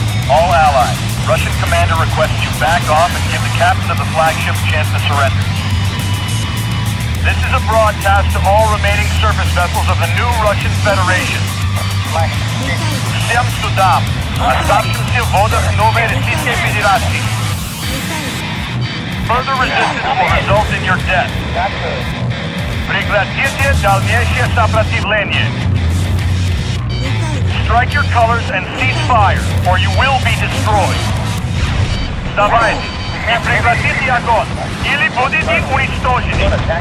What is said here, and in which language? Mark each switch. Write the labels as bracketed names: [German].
[English] All allies, Russian commander requests you back off and give the captain of the flagship a chance to surrender. This is a broadcast to all remaining surface vessels of the new Russian Federation. [Russian] Всем судам. Оставшимся в водах Новой Российской Федерации. [English] Further resistance will result in your death. [Russian] Прекратите дальнейшее сопротивление. [English] Strike your colors and cease fire, or you will be destroyed. [Russian] Вставайте и прекратите огонь, или будете уничтожены.